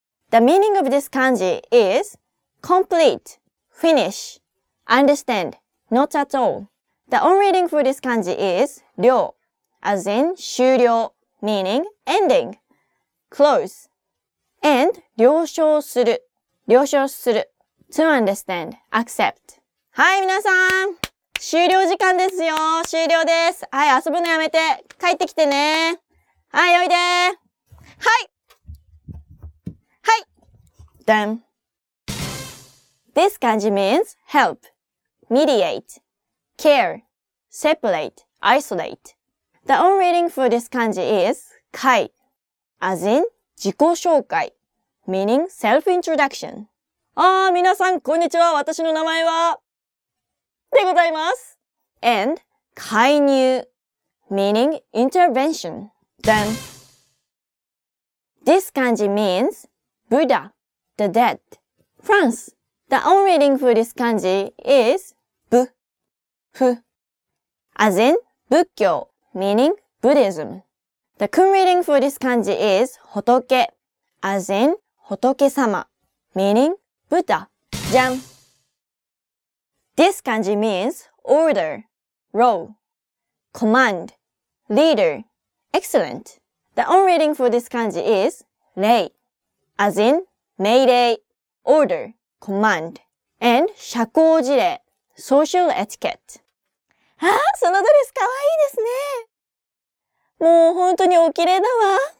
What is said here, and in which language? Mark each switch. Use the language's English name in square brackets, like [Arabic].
[English] The meaning of this kanji is complete, finish, understand, not at all. The on reading for this kanji is 了, as in 終了, meaning ending, close, and 了承する, 了承する, to understand, accept. [Japanese] はい、皆さん、終了時間ですよ。終了です。はい、遊ぶのやめて、帰ってきてね。はい、おいで。はい。はい。 [English] Done. This kanji means help, mediate, care, separate, isolate. The on reading for this kanji is 介, as in 自己紹介, meaning self-introduction. [Japanese] あー、皆さん、こんにちは。私の名前はでございます。 [English] And 介入, meaning intervention. Then, this kanji means Buddha, the dead, France. The on reading for this kanji is bu, fu, as in 仏教, meaning Buddhism. The kun reading for this kanji is 仏, as in 仏様, meaning Buddha. [Japanese] じゃん! [English] This kanji means order, row, command, leader, excellent. The on reading for this kanji is 礼, as in 命令, order, command, and 社交辞令, social etiquette. [Japanese] あー、そのドレスかわいいですね。もう本当におきれいだわ。